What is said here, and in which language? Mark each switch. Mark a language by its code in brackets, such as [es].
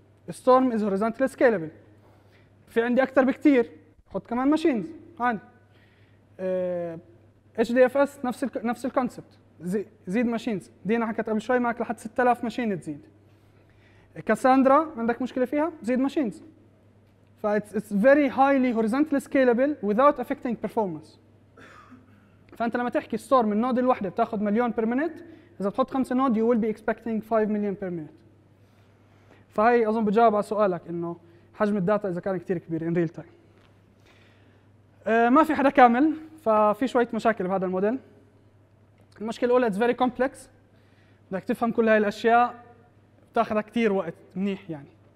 [en] Storm is horizontally scalable. [ar] في عندي أكثر بكثير، حط كمان machines. عادي. HDFS نفس الكونسبت. زيد machines. دينا حكت قبل شوي معك لحد 6000 machine تزيد. كاساندرا عندك مشكلة فيها؟ زيد machines. [en] It's very highly horizontally scalable without affecting performance. [ar] فأنت لما تحكي Storm من النود الواحدة بتاخذ مليون [en] per minute، [ar] إذا بتحط 5 نود [en] you will be expecting 5 million per minute. [ar] فهي أظن بجاوب على سؤالك إنه حجم الداتا إذا كان كتير كبير [en] in real time. [ar] ما في حدا كامل، ففي شوية مشاكل بهذا الموديل. المشكلة الأولى [en] it's very complex، [ar] بدك تفهم كل هاي الأشياء بتاخذها كتير وقت منيح يعني.